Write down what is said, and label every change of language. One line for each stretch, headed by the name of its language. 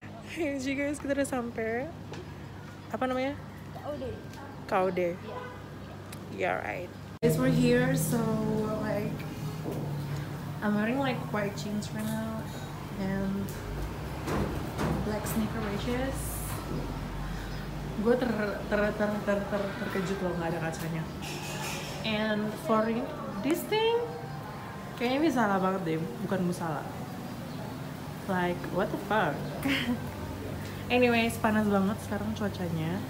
Indonesian: Kita udah sampai apa namanya? Kaude.
English: Yeah, right. Guys, we're here, so like I'm wearing like white jeans right now and black sneaker wedges.
Indonesian: Gue terkejut loh nggak ada kacanya.
English: And for this thing,
Indonesian: kayaknya ini salah banget deh, bukan musala.
English: Like what the fuck? Anyways,
Indonesian: panas banget sekarang cuacanya.